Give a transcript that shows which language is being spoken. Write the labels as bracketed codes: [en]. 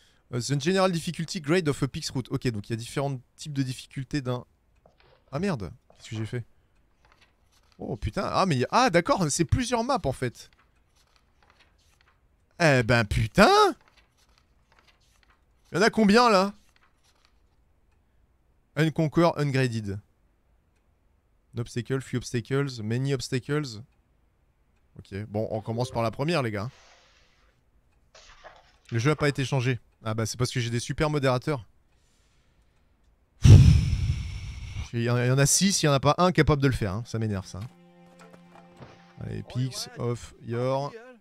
[en] The general difficulty grade of a pix route. [fr] Ok, donc il y a différents types de difficultés d'un... Ah merde, qu'est-ce que j'ai fait? Oh putain, ah mais... Ah d'accord, c'est plusieurs maps en fait. Eh ben putain! Il y en a combien là? [en] Unconquer, ungraded. Obstacle, few obstacles, many obstacles. [fr] Ok, bon on commence par la première les gars. Le jeu a pas été changé. Ah bah c'est parce que j'ai des super modérateurs. Il y en a 6, il y en a pas un capable de le faire, hein. Ça m'énerve ça. Allez, Pix of Yore.